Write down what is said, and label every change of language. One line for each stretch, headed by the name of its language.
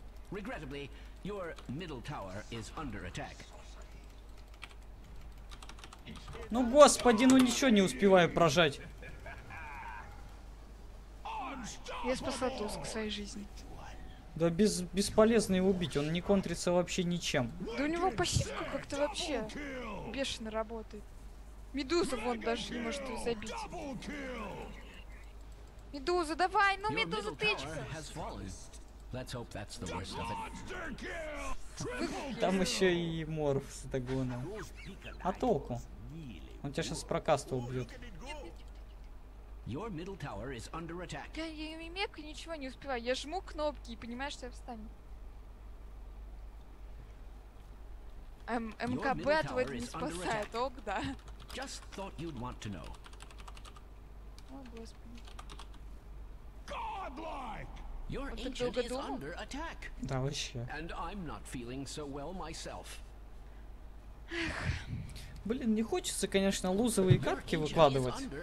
English: Regrettably, your middle tower is under attack.
Russian: Ну господи, ну ничего не успеваю прожать. Я спасла Туск своей жизни. Да без, бесполезно его убить, он не контрится вообще ничем. Да у него пассивка как-то вообще бешено работает. Медуза вон даже не может его забить. Медуза, давай, ну Медуза, тычка!
English: Let's hope that's the worst of it.
Russian: Там еще и морф с Дагона. А толку? Он тебя сейчас с прокаста убьет.
English: Your middle tower is under attack.
Russian: Я мек и ничего не успеваю. Я жму кнопки и понимаешь, что я встану. МКБ от этого не спасает, ок, да.
English: Just thought you'd want to know.
Russian: О, господи.
English: Godlike! Your ancient is under attack.
Russian: Да вообще.
English: And I'm not feeling so well myself.
Russian: Блин, не хочется, конечно, лузовые карки выкладывать.